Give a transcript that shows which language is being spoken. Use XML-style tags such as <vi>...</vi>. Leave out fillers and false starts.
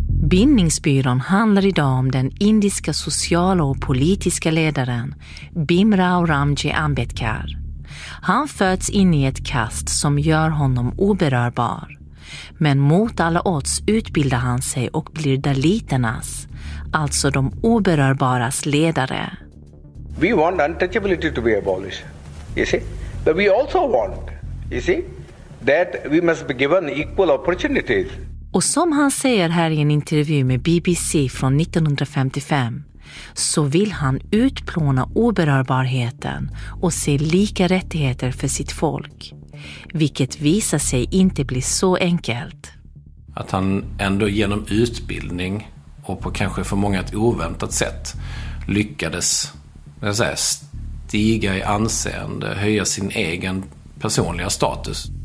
<sv>Bildningsbyrån handlar idag om den indiska sociala och politiska ledaren Bimrao Ramji Ambedkar. Han föds in i ett kast som gör honom oberörbar. Men mot alla odds utbildar han sig och blir daliternas, alltså de oberörbaras ledare.</sv> <en>We want untouchability to be abolished, you see? But we also want, you see, that we must be given equal opportunities.</en> <sv>Och som han säger här i en intervju med BBC från 1955, så vill han utplåna oberörbarheten och se lika rättigheter för sitt folk. Vilket visar sig inte bli så enkelt. Att han ändå genom utbildning och på kanske för många ett oväntat sätt lyckades stiga i anseende, höja sin egen personliga status.</sv>